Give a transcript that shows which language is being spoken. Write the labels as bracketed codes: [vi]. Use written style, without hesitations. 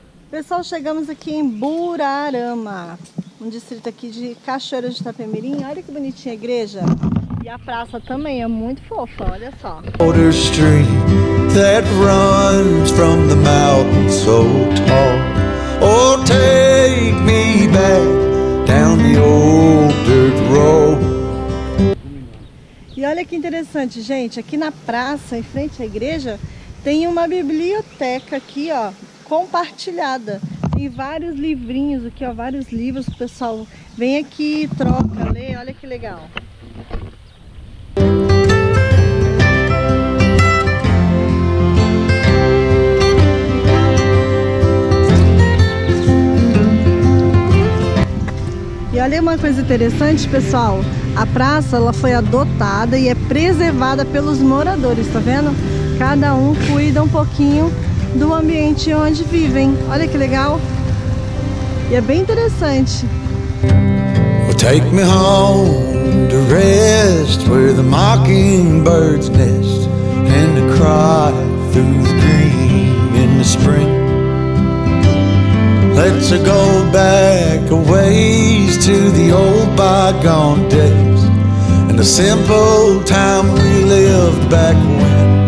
[pt] Pessoal, chegamos aqui em Burarama, um distrito aqui de Cachoeira de Itapemirim. Olha que bonitinha a igreja. E a praça também é muito fofa, olha só. [en] Water stream that runs from the mountain so tall. Oh, take me back down the old dirt road. [pt] E olha que interessante, gente. Aqui na praça, em frente à igreja, tem uma biblioteca aqui, ó, compartilhada. Tem vários livrinhos aqui, ó, vários livros, pessoal. Vem aqui, troca, lê, olha que legal. E olha uma coisa interessante, pessoal. A praça, ela foi adotada e é preservada pelos moradores, tá vendo? Cada um cuida um pouquinho do ambiente onde vivem. Olha que legal. E é bem interessante. [en] Well, take me home to rest where the mockingbirds nest and to cry through the green in the spring. Let's go back a ways to the old bygone days and the simple time we lived back when.